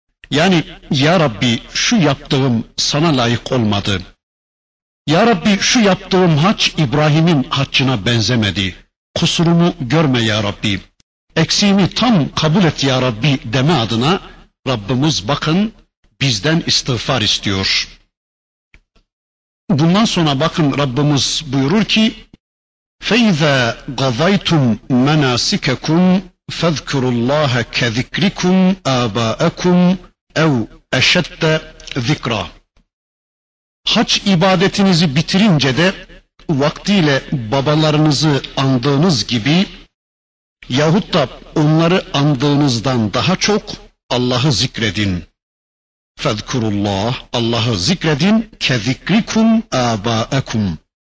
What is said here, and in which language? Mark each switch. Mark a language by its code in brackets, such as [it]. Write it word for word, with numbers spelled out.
[tr] Yani ya Rabbi şu yaptığım sana layık olmadı. Ya Rabbi şu yaptığım hac İbrahim'in haccına benzemedi. Kusurumu görme ya Rabbi. Eksiğimi tam kabul et ya Rabbi deme adına Rabbimiz bakın bizden istiğfar istiyor. Bundan sonra bakın Rabbimiz buyurur ki [ar] فَاِذَا قَضَيْتُمْ مَنَاسِكَكُمْ فَذْكُرُوا اللّٰهَ كَذِكْرِكُمْ آبَاءَكُمْ اَوْ اَشَدَّ ذِكْرًا. [tr] Hac ibadetinizi bitirince de vaktiyle babalarınızı andığınız gibi yahut da onları andığınızdan daha çok Allah'ı zikredin. Fezkurullah, Allah'ı zikredin. [ar] Kezikrikum âbâekum.